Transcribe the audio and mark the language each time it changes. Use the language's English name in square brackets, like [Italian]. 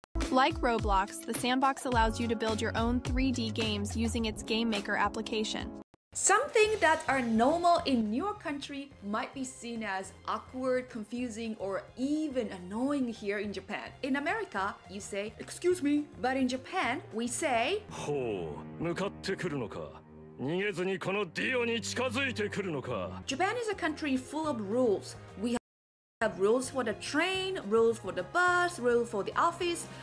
[English] Like Roblox, the sandbox allows you to build your own 3D games using its Game Maker application. Something that are normal in your country might be seen as awkward, confusing, or even annoying here in Japan. In America, you say, "Excuse me," but in Japan, we say, [Japanese] "ほう、向かってくるのか?" "逃げずにこのディオに近づいてくるのか?" [English] Japan is a country full of rules. We have rules for the train, rules for the bus, rules for the office.